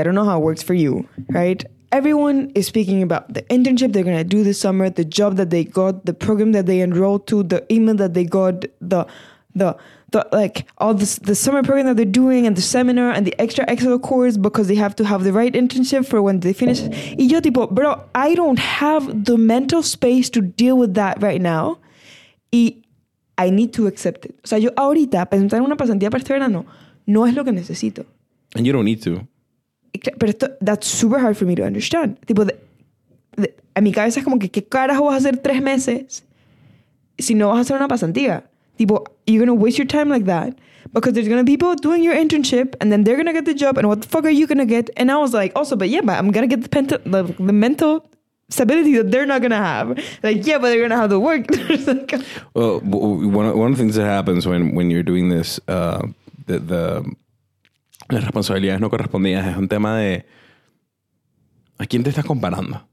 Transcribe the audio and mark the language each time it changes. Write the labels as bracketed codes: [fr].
[en] I don't know how it works for you, right? Everyone is speaking about the internship they're going to do this summer, the job that they got, the program that they enrolled to, the email that they got, the summer program that they're doing and the seminar and the extra extra course because they have to have the right internship for when they finish. [es] Y yo tipo, [en] bro, I don't have the mental space to deal with that right now. Y I need to accept it. [es] O sea, yo ahorita, presentar una pasantía para este verano, no es lo que necesito. [en] And you don't need to. [es] Pero [en] that's super hard for me to understand. [es] Tipo, a mi cabeza es como que, ¿qué carajo vas a hacer 3 meses si no vas a hacer una pasantía? Tipo, [en] you're going to waste your time like that because there's going to be people doing your internship and then they're going to get the job and what the fuck are you going to get? And I was like, also, but yeah, but I'm going to get the mental stability that they're not going to have. Like, yeah, but they're going to have the work. Well, one of the things that happens when you're doing this, the [es] responsabilidades no correspondidas es un tema de ¿a quién te estás comparando?